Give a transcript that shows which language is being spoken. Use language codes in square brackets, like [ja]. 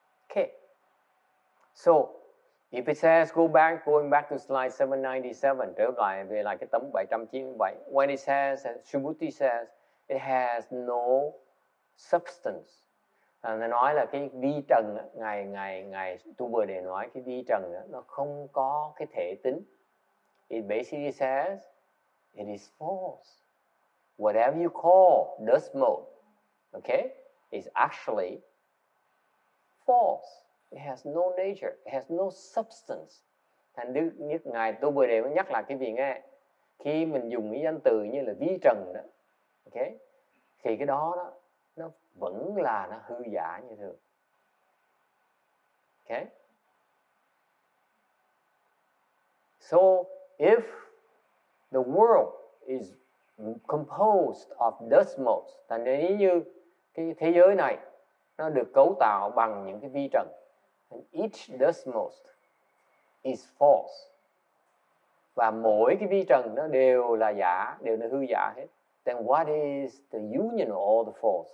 [en] Okay. So, if it says going back to slide 797, [vi] trở lại về lại cái tấm 797. [en] When it says, and Subhuti says, it has no substance. [vi] Nó nói là cái vi trần, ngày tôi vừa để nói cái vi trần nó không có cái thể tính. [en] It basically says, it is false. Whatever you call dust mode, okay, is actually false. It has no nature, it has no substance. [vi] Thành Đức Nhất Ngài tôi vừa để nhắc lại cái vị nghe. Khi mình dùng cái danh từ như là vi trần đó, okay, thì cái đó đó, nó vẫn là nó hư giả như thường. [en] Okay? So, if the world is composed of dust motes, [vi] thành ra như cái thế giới này nó được cấu tạo bằng những cái vi trần, [en] and each dust mote is false. [vi] Và mỗi cái vi trần nó đều là giả, đều là hư giả hết. [en] Then what is the union of all the faults?